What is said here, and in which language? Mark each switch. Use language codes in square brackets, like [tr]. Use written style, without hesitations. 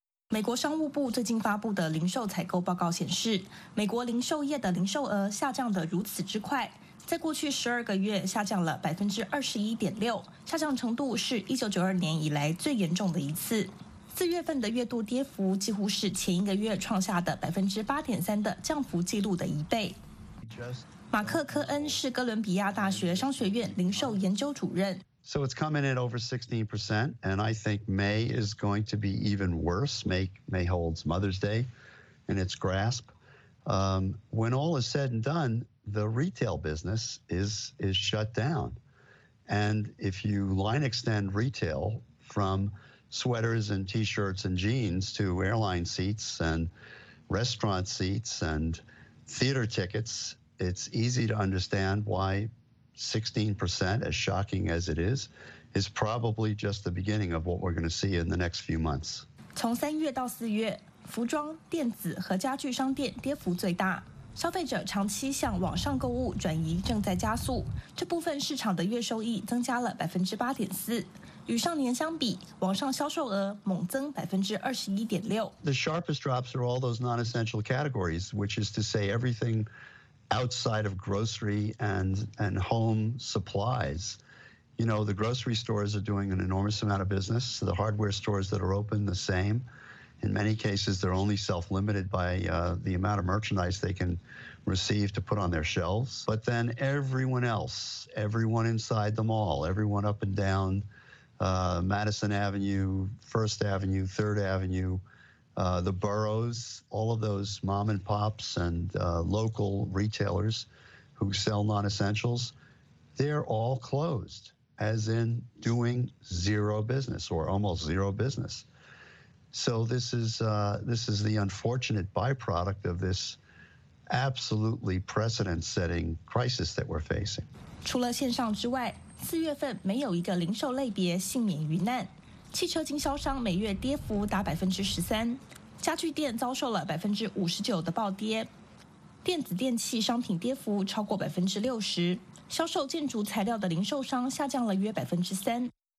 [zh] 美国商务部最近发布的零售采购报告显示，美国零售业的零售额下降得如此之快，在过去12个月下降了21.6%，下降程度是1992年以来最严重的一次。四月份的月度跌幅几乎是前一个月创下的8.3%的降幅记录的一倍。马克·科恩是哥伦比亚大学商学院零售研究主任。 [en] So it's coming in over 16%, and I think May is going to be even worse. May holds Mother's Day in its grasp. When all is said and done, the retail business is shut down. And if you line extend retail from sweaters and T-shirts and jeans to airline seats and restaurant seats and theater tickets,It's easy to understand why 16%, as shocking as it is probably just the beginning of what we're going to see in the next few months. [zh] 从三月到四月，服装、电子和家具商店跌幅最大。消费者长期向网上购物转移正在加速，这部分市场的月收益增加了8.4%。与上年相比，网上销售额猛增21.6%。 [en] The sharpest drops are all those non-essential categories, which is to say everything. Outside of grocery and home supplies, you know, the grocery stores are doing an enormous amount of business. So the hardware stores that are open, the same. In many cases, they're only self-limited by the amount of merchandise they can receive to put on their shelves. But then everyone else, everyone inside the mall, everyone up and down Madison Avenue, First Avenue, Third Avenue, the boroughs, all of those mom and pops and local retailers who sell non-essentials, they're all closed, as in doing zero business or almost zero business. So this is the unfortunate byproduct of this absolutely precedent-setting crisis that we're facing. [zh] 除了线上之外, 4月份没有一个零售类别幸免于难, 汽车经销商每月跌幅达13%, 家具店遭受了59%的暴跌, 电子电器商品跌幅超过60%, 销售建筑材料的零售商下降了约3%。